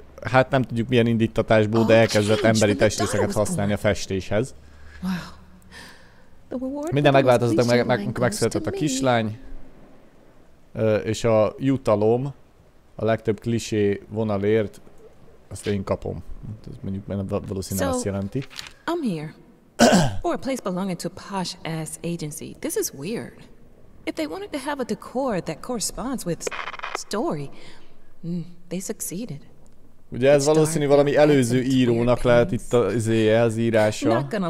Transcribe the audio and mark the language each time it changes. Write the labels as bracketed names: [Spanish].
[Hungarian] Hát nem tudjuk milyen indítatásból, de elkezdett emberi testrészeket használni a festéshez. Minden megváltozott, megszületett a kislány. És a jutalom a legtöbb klisé vonalért, azt én kapom. Ez mondjuk valószínűleg azt jelenti. [English] I'm here. For a place belonging to a posh ass agency. This is weird. If they wanted to have a decor that corresponds with story, they succeeded. [Hungarian] Ugye ez valószínű valami előző írónak lehet itt az az írása.